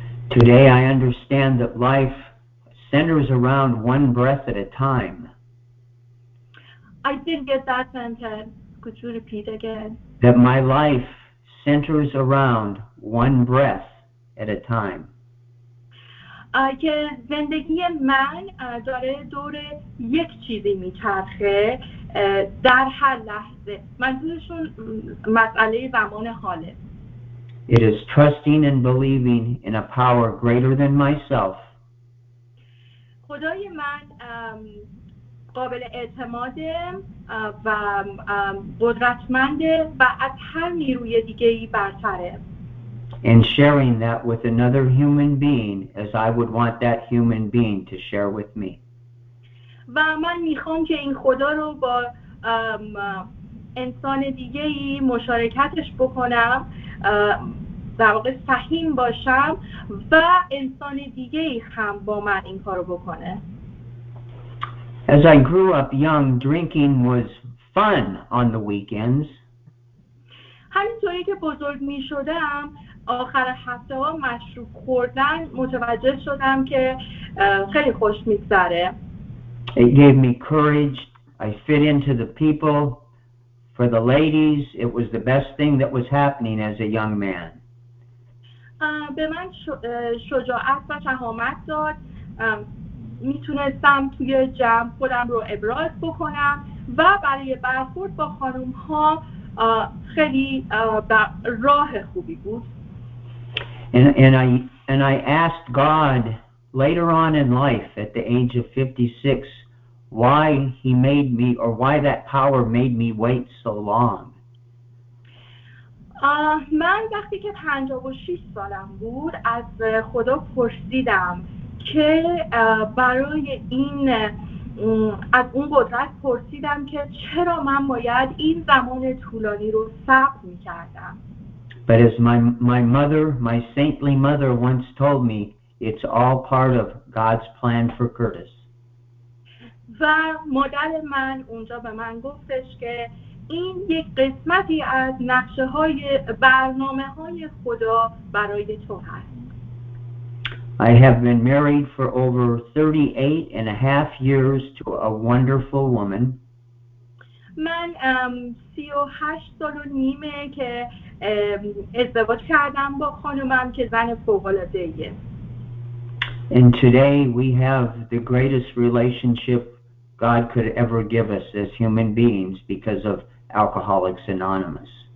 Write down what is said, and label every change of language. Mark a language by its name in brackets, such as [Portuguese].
[English] Today I understand that life centers around one breath at a time. I didn't get that sentence. Could you repeat again? That my life centers around one breath at a time. [Persian] که زندگی من داره دور یک چیزی میچرخه در هر لحظه. منظورشون مسئله زمان حاله. [English] It is trusting and believing in a power greater than myself. [Persian] خدای من قابل اعتماد و قدرتمند و از هر نیروی دیگه‌ای برتره. [English] And sharing that with another human being as I would want that human being to share with me. [Persian] و من میخوام که این خدا رو با انسان دیگه‌ای مشارکتش بکنم، در واقع سهیم باشم و انسان دیگه‌ای هم با من این کارو بکنه. [English] As I grew up young, drinking was fun on the weekends. [Persian] همینطوری که بزرگ می شدم آخر هفته ها مشروب خوردن متوجه شدم که خیلی خوش می گذره. [English] It gave me courage. I fit into the people. For the ladies, it was the best thing that was happening as a young man. [Persian] به من شجاعت و شهامت داد. میتونستم توی جمع خودم رو ابراز بکنم و برای برخورد با خانم ها خیلی راه خوبی بود. [English] And I asked God later on in life at the age of 56 why he made me or why that power made me wait so long. [Persian] من وقتی که 56 سالم بود از خدا پرسیدم که برای این از اون قدرت پرسیدم که چرا من باید این زمان طولانی رو صبر می‌کردم. [English] But as my mother, my saintly mother once told me, it's all part of God's plan for Curtis. [Persian] و مادر من اونجا به من گفتش که این یک قسمتی از نقشه‌های برنامه‌های خدا برای تو هست. [English] I have been married for over 38 and a half years to a wonderful woman. [Persian] من 38 سال و نیمه که ازدواج کردم با خانومم که زن فوق‌العاده‌ایه. [English] And today we have the greatest relationship God could ever give us as human beings because of Alcoholics Anonymous.